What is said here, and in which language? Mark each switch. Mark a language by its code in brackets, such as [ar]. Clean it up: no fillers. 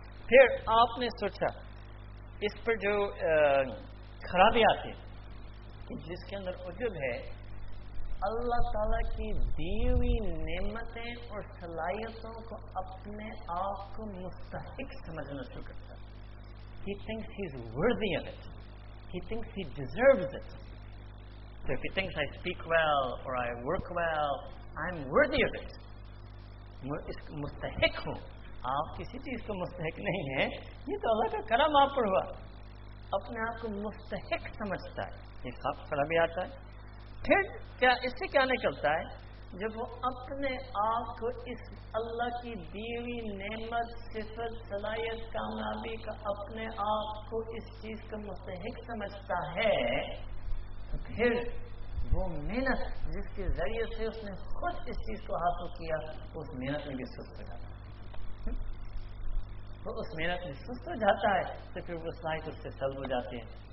[hi] फिर आपने सोचा इस पर जो खराबी आती है कि जिसके अंदर उजब है, अल्लाह ताला की दी हुई नेमतें और सलाहियतों को अपने आप को मुस्तहिक समझना शुरू करता, [en] He thinks he's worthy of it. He thinks he deserves it. So if he thinks I speak well or I work well, I'm worthy of it. [hi] मुस्तहिक हूं, आप किसी चीज को मुस्तहिक नहीं है, ये तो अल्लाह का करम आप पर हुआ, अपने आप को मुस्तहिक समझता है, ये साफ खराब भी आता है। फिर क्या, इससे क्या निकलता है, जब वो अपने आप को इस अल्लाह की दी हुई नेमत, सिफत, सलाहियत, कामयाबी का अपने आप को इस चीज का मुस्तहिक समझता है, तो फिर वो मेहनत जिसके जरिए से उसने खुद इस चीज को हासिल किया, उस मेहनत में भी सुस्त हो जाता है, तो उस मेहनत में सुस्त हो जाता है, तो फिर वो सलाहियत उससे सल्ब हो जाती है।